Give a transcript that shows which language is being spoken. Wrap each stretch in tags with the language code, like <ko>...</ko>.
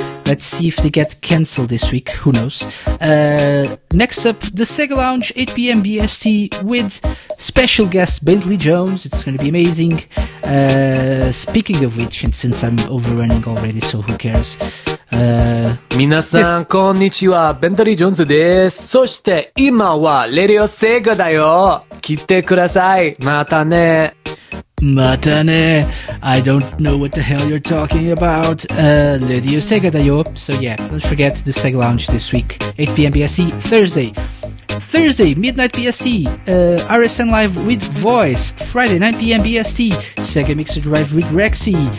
<en>Let's see if they get cancelled this week, who knows. Next up, the Sega Lounge, 8 p.m. BST, with special guest Bentley Jones. It's going to be amazing. Speaking of which, and since I'm overrunning already, so who cares,</en> <ja>皆さん、こんにちは。ベントリー・ジョーンズです。そして、今は、レディオ・セガだよ。来てください。またね。またね。</ja> <en>I don't know what the hell you're talking about.</en> <ja>Radio Sega da yo.</ja> <en>So yeah, don't forget the Sega Lounge this week. 8pm BSC, Thursday, midnight BSC, RSN Live with Voice. Friday, 9pm BSC, Sega Mixer Drive with Rexy.</en>